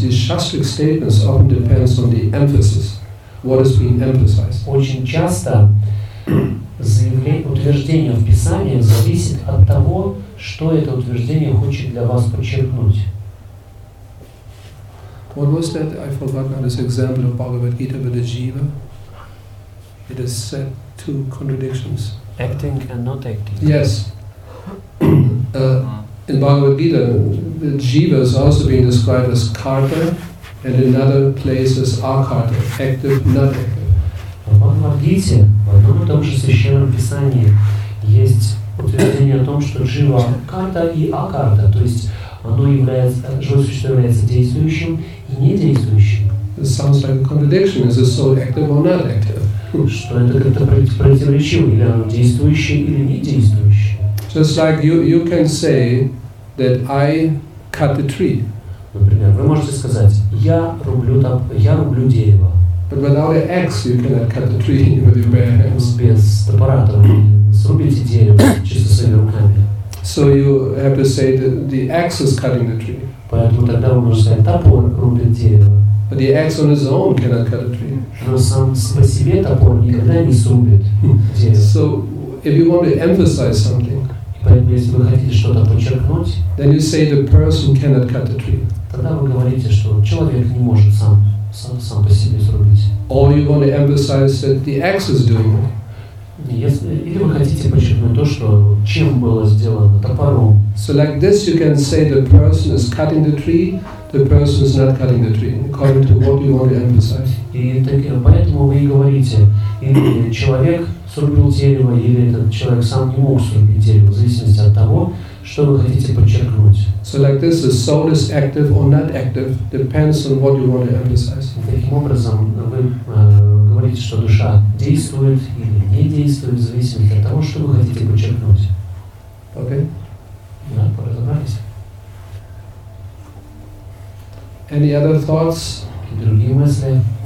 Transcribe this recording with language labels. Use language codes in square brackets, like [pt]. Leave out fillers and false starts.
[en] These shastric statements often depends on the emphasis. What is being emphasized? [ru] Очень часто заявление, утверждение в Писании зависит от того, что это утверждение хочет для вас подчеркнуть. [en] What was that? I forgot now. This example of Bhagavad Gita with the jiva. It is said two contradictions. Acting and not acting. Yes. In Bhagavad Gita, the jiva is also being described as karta, and in other places akarta, active, not active. [ru] В Бхагавад Гите, в одном и том же священном писании, есть утверждение о том, что джива карта и акарта, то есть оно является, живое существо является действующим и недействующим. [en] It sounds like a contradiction. Is it so active or not active? [ru] Что это как-то противоречиво, или оно действующее, или недействующее? [en] Just like you can say that I cut the tree. [ru] Например, вы можете сказать, я рублю дерево. [en] But without an axe, you cannot cut the tree with your bare hands. [ru] Без топора вы срубите дерево чисто своими руками. [en] So you have to say that the axe is cutting the tree. [ru] Поэтому тогда вы можете сказать, топор рубит дерево. [en] But the axe on its own cannot cut a tree. [ru] Но сам по себе топор никогда не срубит дерево. [en] So if you want to emphasize something, [ru] поэтому если вы хотите что-то подчеркнуть, [en] then you say the person cannot cut the tree. [ru] Тогда вы говорите, что человек не может сам по себе срубить. [en] Or you want to emphasize that the axe is doing it. [ru] Если вы хотите подчеркнуть то, что чем было сделано топором. [en] So like this, you can say the person is cutting the tree. The person is not cutting the tree. According to what you want to emphasize. [ru] И таким поэтому вы и говорите, или человек срубил дерево, или этот человек сам не мог срубить дерево, в зависимости от того, что вы хотите подчеркнуть. [en] So like this, the soul is active or not active depends on what you want to emphasize. [ru] Таким образом, вы говорите, что душа действует или не действует, в зависимости от того, что вы хотите подчеркнуть. Окей. Да, поразумевайтесь. [en] Any other thoughts? [ru] И другие мысли.